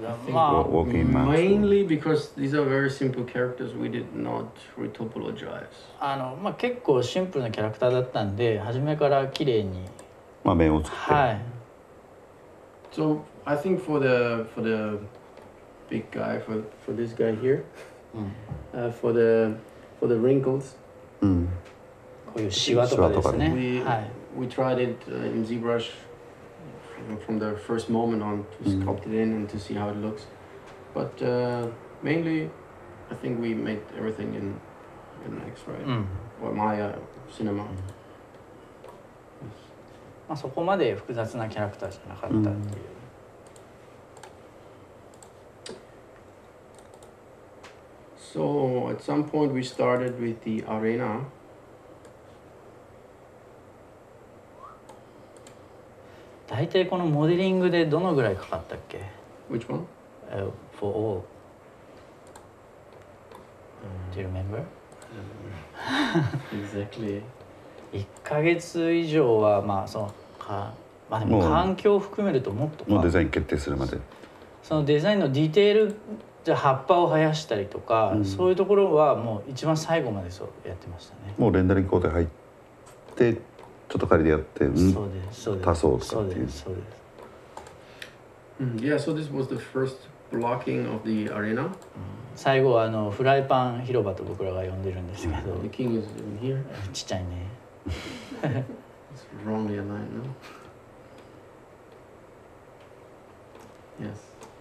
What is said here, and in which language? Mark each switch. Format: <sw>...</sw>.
<en>まあ、mainly because these are very simple characters, we did not retopologize.</en> <ja>まあ結構シンプルなキャラクターだったんで、初めから綺麗に。まあ面を作って。はい。</ja> <en>So,I think for the big guy for this guy here, for the wrinkles,</en> <ja>こういうシワとかですね。</ja> <en>We tried it in ZBrush from the first moment on to sculpt it in and to see how it looks, but mainly, I think we made everything in in the X-ray or Maya Cinema.</en> <ja>まあそこまで複雑なキャラクターじゃなかったっていう。</ja> <en>So at some point we started with the arena.</en> <ja>だいたいこのモデリングでどのぐらいかかったっけ</ja> <en>？Which one? For all. Do you remember? Exactly.</en> <ja>1ヶ月以上はまあそのか、まあでも環境を含めるともっとか。もうデザイン決定するまで。そのデザインのディテール。じゃあ葉っぱを生やしたりとか、うん、そういうところはもう一番最後までそうやってましたね。もうレンダリング工程入ってちょっと仮でやって、うん、そうですそうです多層とかっていう。そうですそうです。</ja> <en>Yeah, so this was the first blocking of the arena.</en> <ja>最後はあのフライパン広場と僕らが呼んでるんですけど。</ja> <en>The king is in here.</en> <ja>ちっちゃいね。</ja> <en>It's wrongly aligned, no? Yes.</en>